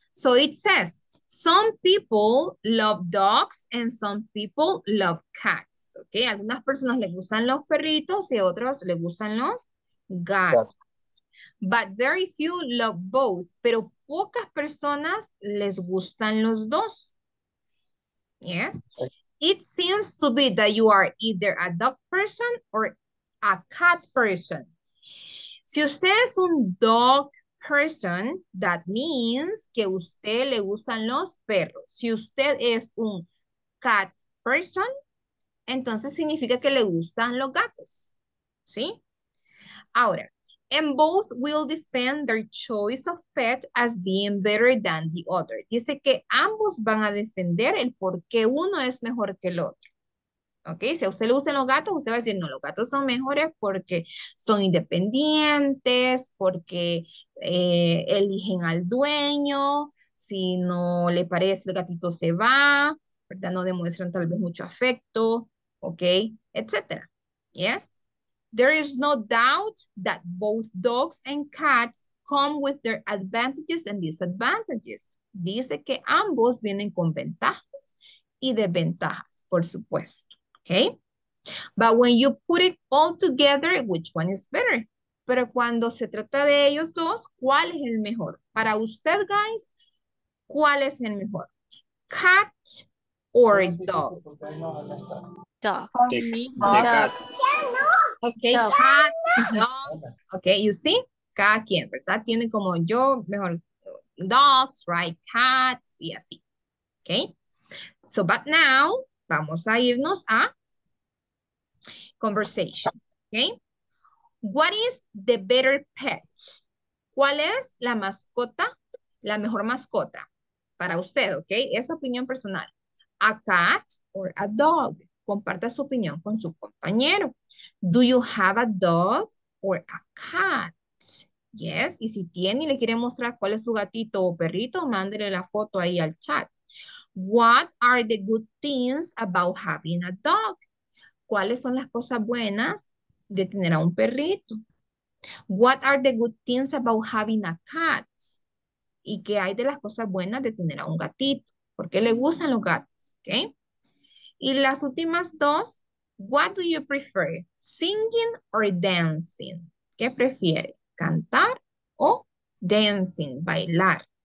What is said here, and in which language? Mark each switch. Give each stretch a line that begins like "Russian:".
English: So it says, some people love dogs and some people love cats.
Spanish: Okay, algunas personas les gustan los perritos y otros les gustan los gatos.
English: Yeah. But very few love both.
Spanish: Pero pocas personas les gustan los dos.
English: Yes. It seems to be that you are either a dog person or a cat person.
Spanish: Si usted es un
English: dog person, that means
Spanish: que usted le gustan los perros. Si usted es un cat person, entonces significa que le gustan los gatos. ¿Sí?
English: Ahora, and both will defend their choice of pet as being better than the other.
Spanish: Dice que ambos van a defender el por qué uno es mejor que el otro. Ok, si a usted le gustan los gatos, usted va a decir, no, los gatos son mejores porque son independientes, porque eligen al dueño, si no le parece el gatito se va, ¿verdad? No demuestran tal vez mucho afecto, ok, etcétera.
English: Yes. There is no doubt that both dogs and cats come with their advantages and disadvantages.
Spanish: Dice que ambos vienen con ventajas y desventajas, por supuesto.
English: Okay? But when you put it all together, which one is better?
Spanish: Pero cuando se trata de ellos dos, ¿cuál es el mejor? Para usted, guys, ¿cuál es el mejor?
English: Cat or dog? Dog. Dog. Dog. Okay, dog. Cat, dog. Okay, you see?
Spanish: Cada quien, ¿verdad? Tiene como yo, mejor,
English: dogs, right?
Spanish: Cats, y así. Okay?
English: So, but now,
Spanish: vamos a irnos a
English: conversation, okay? What is the better pet?
Spanish: ¿Cuál es la mascota, la mejor mascota para usted, okay? Es opinión personal.
English: A cat or a dog?
Spanish: Comparta su opinión con su compañero.
English: Do you have a dog or a cat?
Spanish: Yes, y si tiene y le quiere mostrar cuál es su gatito o perrito, mándele la foto ahí al chat.
English: What are the good things about having a dog?
Spanish: ¿Cuáles son las cosas buenas de tener a un perrito?
English: What are the good things about having a cat?
Spanish: ¿Y qué hay de las cosas buenas de tener a un gatito? ¿Por qué le gustan los gatos? ¿Okay? Y las últimas dos,
English: what do you prefer, singing or dancing?
Spanish: ¿Qué prefiere, cantar o dancing, bailar?